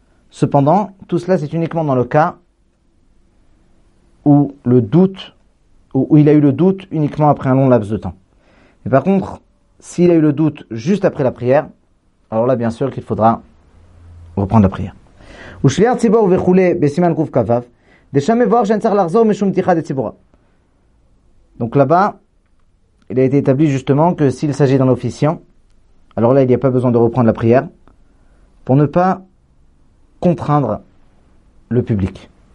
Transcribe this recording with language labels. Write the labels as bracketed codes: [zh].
[fr] Cependant, tout cela, c'est uniquement dans le cas où le doute, où il a eu le doute uniquement après un long laps de temps. Mais par contre, s'il a eu le doute juste après la prière, alors là, bien sûr qu'il faudra reprendre la prière. [he] ושליח ציבור וכולי בסימן קוף כפף, דשם מבואר שאני צריך לחזור משום פתיחה דציבורה. [fr] Donc là-bas, il a été établi justement que s'il s'agit d'un officiant, alors là, il n'y a pas besoin de reprendre la prière pour ne pas contraindre le public.